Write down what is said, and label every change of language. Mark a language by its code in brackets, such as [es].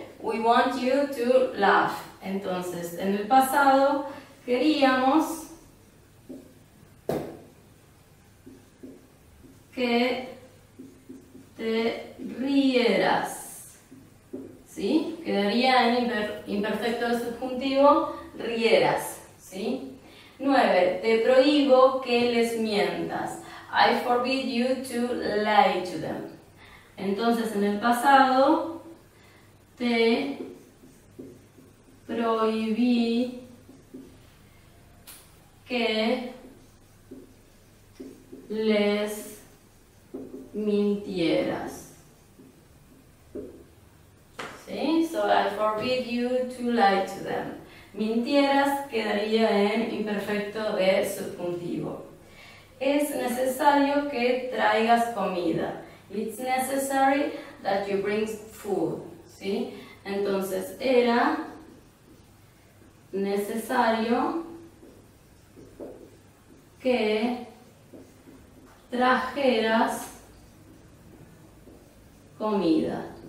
[en] We want you to laugh. [es] Entonces, en el pasado queríamos que te rieras, ¿sí? Quedaría en imperfecto de subjuntivo, rieras, ¿sí? 9. Te prohíbo que les mientas. [en] I forbid you to lie to them. [es] Entonces, en el pasado, te prohibí que les mintieras. ¿Sí? [en] So I forbid you to lie to them. [es] Mintieras quedaría en imperfecto de subjuntivo. Es necesario que traigas comida. [en] It's necessary that you bring food. [es] ¿Sí? Entonces era necesario que trajeras comida.